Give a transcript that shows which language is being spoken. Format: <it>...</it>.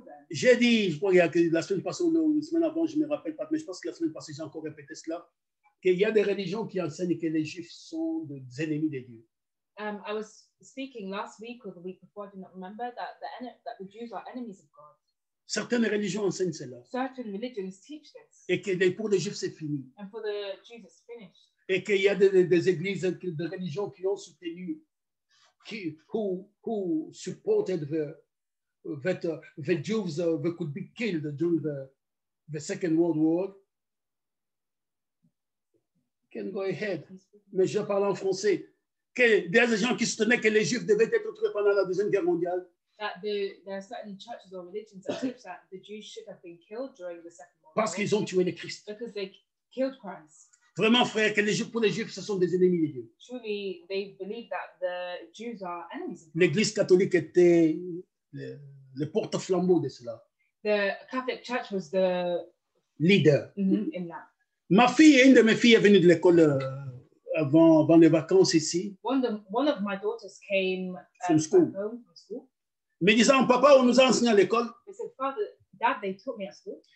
<fr>J'ai dit, je crois que la semaine passée ou la semaine avant, je ne me rappelle pas, mais je pense que la semaine passée, j'ai encore répété cela, qu'il y a des religions qui enseignent que les Juifs sont des ennemis de Dieu.</fr> <en>I was speaking last week or the week before, I do not remember, that the Jews are enemies of God.</en> <fr>Certaines religions enseignent cela.</fr> <en>Certain religions teach this.</en> <fr>Et que pour les Juifs, c'est fini.</fr> <en>And for the Jews, it's finished.</en> <fr>Et qu'il y a des églises, des religions qui ont soutenu,</fr> <en>who supported the Jews that could be killed during the Second World War. Can go ahead.</en> <fr>Mais je parle en français. Que des gens qui soutenaient que les Juifs devaient être tués pendant la Deuxième Guerre mondiale.</fr> <en>There are certain churches or religions that teach that the Jews should have been killed during the Second World War.</en> <fr>Parce qu'ils ont tué le Christ.</fr> <en>Because they killed Christ.</en> <fr>Vraiment, frère, que pour les Juifs, ce sont des ennemis de Dieu.</fr> <en>Truly, they believe that the Jews are enemies of God.</en> <fr>L'Église catholique était le porte-flambeau de cela.</fr> <en>The Catholic Church was the leader in that.</en> <fr>Ma fille et une de mes filles est venue de l'école avant les vacances ici.</fr> <en>One of my daughters came from school.</en> <fr>Me disant, papa, on nous a enseigné à l'école.</fr> <en>They said, Father, Dad, they taught me at school.</en>